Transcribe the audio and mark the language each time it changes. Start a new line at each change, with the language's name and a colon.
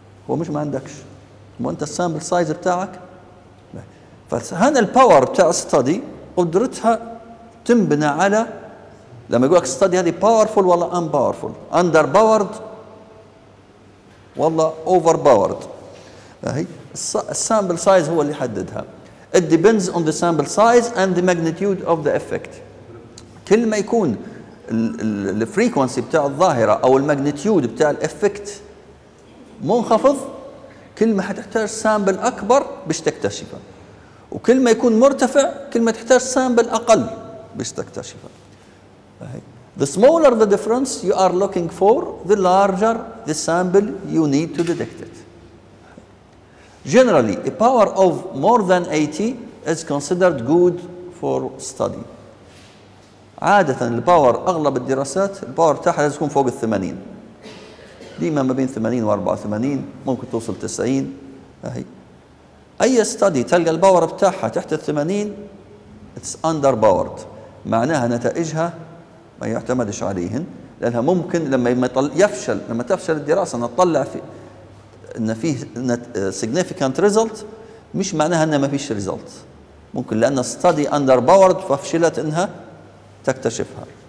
Arabic: هو مش ما عندكش، ما انت السامبل سايز بتاعك. فهنا الباور بتاع ستادي قدرتها تنبنى على، لما يقول لك ستادي هذه باورفول ولا ان باورفول، اندر باورد والله اوفر باورد. هي السامبل سايز هو اللي يحددها.
English: It depends on the sample size and the magnitude of the effect.
Arabic: كل ما يكون الفريكونسي بتاع الظاهره او الماجنتيود بتاع الافكت منخفض، كل ما حتحتاج سامبل اكبر باش تكتشفه، وكل ما يكون مرتفع كل ما تحتاج سامبل اقل باش تكتشفه.
English: The smaller the difference you are looking for, the larger the sample you need to detect it. Generally, a power of more than 80 is considered good for study.
Arabic: عادة الباور اغلب الدراسات الباور تاعها لازم يكون فوق ال 80. ديما ما بين 80 و 84، ممكن توصل 90. اهي اي ستادي تلقى الباور بتاعها تحت ال 80 اتس اندر باورد، معناها نتائجها ما يعتمدش عليهن، لانها ممكن لما تفشل الدراسه نطلع في ان فيه significant result، مش معناها ان ما فيش result، ممكن لان ستادي اندر باورد ففشلت انها تكتشفها.